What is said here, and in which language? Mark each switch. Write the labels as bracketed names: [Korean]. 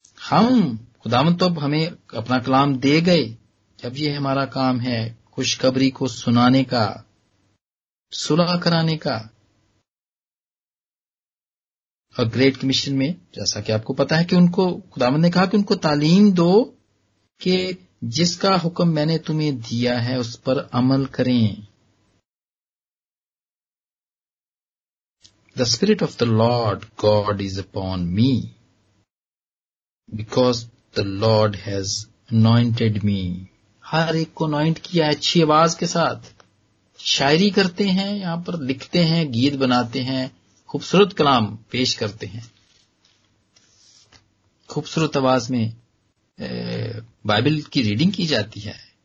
[Urdu] ہم خداوند تو ہمیں اپنا کلام دے گئے، جب یہ ہمارا کام ہے خوشخبری کو سنانے کا، صلح کرانے کا. اور گریٹ کمیشن میں جیسا کہ آپ کو پتا ہے کہ ان کو خداوند نے کہا کہ ان کو تعلیم دو کہ جس کا حکم میں نے تمہیں دیا ہے اس پر عمل کریں. [English] The spirit of the Lord God is upon me because the Lord has anointed me. [Urdu] ہر ایک کو انوائنٹ کیا ہے اچھی آواز کے ساتھ، شاعری کرتے ہیں یہاں پر، لکھتے ہیں، گیت بناتے ہیں، خوبصورت کلام پیش کرتے ہیں، خوبصورت آواز میں بائبل کی ریڈنگ کی جاتی ہے.